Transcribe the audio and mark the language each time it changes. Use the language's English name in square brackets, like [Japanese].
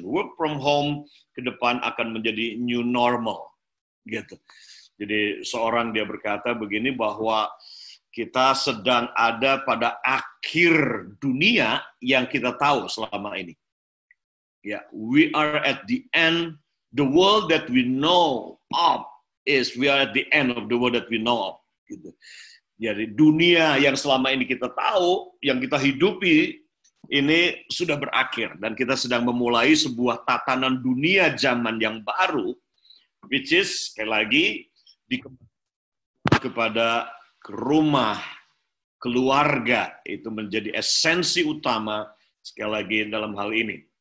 [Indonesian] Work from home ke depan akan menjadi new normal. Gitu. Jadi seorang dia berkata begini bahwa kita sedang ada pada akhir dunia yang kita tahu selama ini. [English] Ya, we are at the end. The world that we know of is we are at the end of the world that we know of. [Indonesian] Gitu. Jadi dunia yang selama ini kita tahu, yang kita hidupi, ini sudah berakhir dan kita sedang memulai sebuah tatanan dunia zaman yang baru, [English] which is [Indonesian] sekali lagi kepada rumah, keluarga itu menjadi esensi utama sekali lagi dalam hal ini.